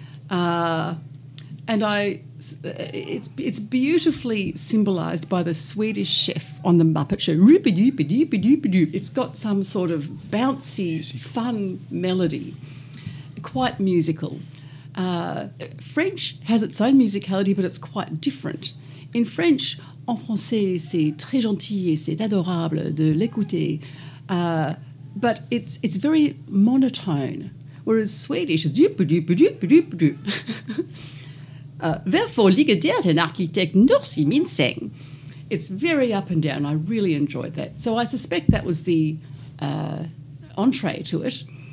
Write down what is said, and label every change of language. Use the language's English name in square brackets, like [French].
[English] And it's beautifully symbolised by the Swedish chef on the Muppet Show. It's got some sort of bouncy, fun melody, quite musical. French has its own musicality, but it's quite different. In French, [French] en français, c'est très gentil et c'est adorable de l'écouter. [English] But it's very monotone, whereas Swedish is Therefore, ligadert en arkitekt Norsi Minseng. It's very up and down. I really enjoyed that. So I suspect that was the entree to it.